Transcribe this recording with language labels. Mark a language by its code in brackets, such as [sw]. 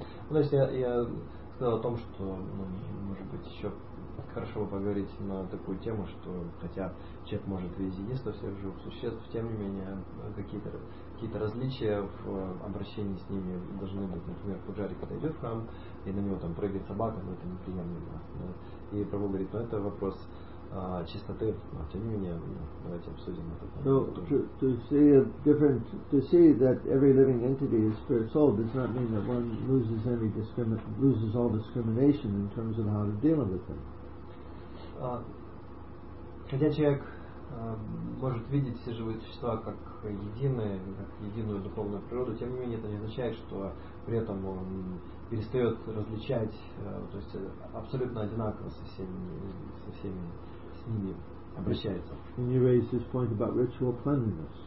[ru] Well, я сказал о том, что может быть еще хорошо поговорить на такую тему, что хотя человек может видеть единство всех живых существ, тем не менее какие-то различия в обращении с ними должны быть. Например, пуджари, когда идет в храм, и на него там прыгает собака, но это неприемлемо. Да? И Прабху говорит, ну это вопрос чистоты, но тем не менее, ну, давайте обсудим это. [en] To say that every living entity is spirit-soul does not mean that one loses any loses all discrimination in terms of how to deal with them. [ru] Хотя человек может видеть все живые существа как единые, как единую духовную природу, тем не менее это не означает, что при этом он перестает различать, то есть абсолютно одинаково со всеми с ними обращается. [en] And you raise this point about ritual cleanliness.